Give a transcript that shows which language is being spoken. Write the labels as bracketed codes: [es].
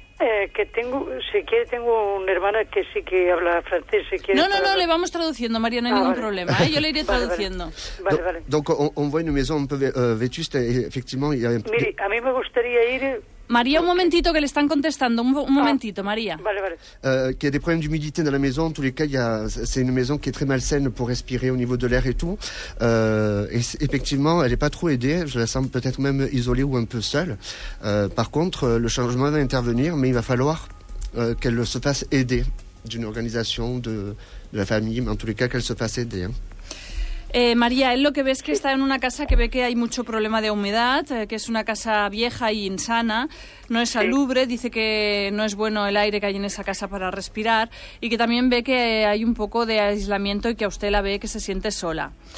[es] Que tengo, si quiere, tengo una hermana que sí que habla francés. Si quiere, no, le vamos traduciendo, María, no hay ningún problema. Yo le iré traduciendo. Vale. [fr] Donc, on voit une maison un peu vétuste, effectivement. [es] Mire, a mí me gustaría ir. María, un momentito, que le están contestando. Un momentito, María. Vale. [fr] Qu'il y a des problèmes d'humidité dans la maison. En tous les cas, c'est une maison qui est très malsaine pour respirer au niveau de l'air et tout. Effectivement, elle n'est pas trop aidée. Je la sens peut-être même isolée ou un peu seule. Par contre, le changement va intervenir, mais il va falloir qu'elle se fasse aider d'une organisation, de la famille, mais en tous les cas, qu'elle se fasse aider. [es] María, él lo que ve es que está en una casa que ve que hay mucho problema de humedad, que es una casa vieja e insana, no es salubre, dice que no es bueno el aire que hay en esa casa para respirar y que también ve que hay un poco de aislamiento y que a usted la ve que se siente sola.